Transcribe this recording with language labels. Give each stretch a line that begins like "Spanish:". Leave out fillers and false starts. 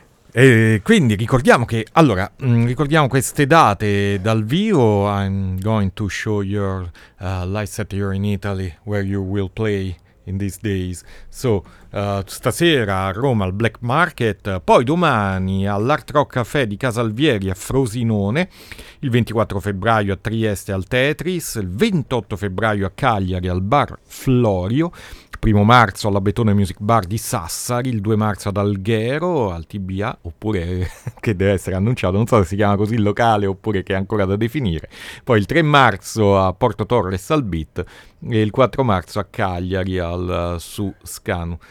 Italian: E quindi ricordiamo che allora ricordiamo queste date dal vivo.
English: I'm going to show your live set here in Italy where you will play in these days.
Italian: So stasera a Roma al Black Market, poi domani all'Art Rock Café di Casalvieri a Frosinone, il 24 febbraio a Trieste al Tetris, il 28 febbraio a Cagliari al Bar Florio, 1 marzo alla Betone Music Bar di Sassari, il 2 marzo ad Alghero, al TBA, oppure che deve essere annunciato, non so se si chiama così il locale oppure che è ancora da definire, poi il 3 marzo a Porto Torres al Beat e il 4 marzo a Cagliari al Su Scanu.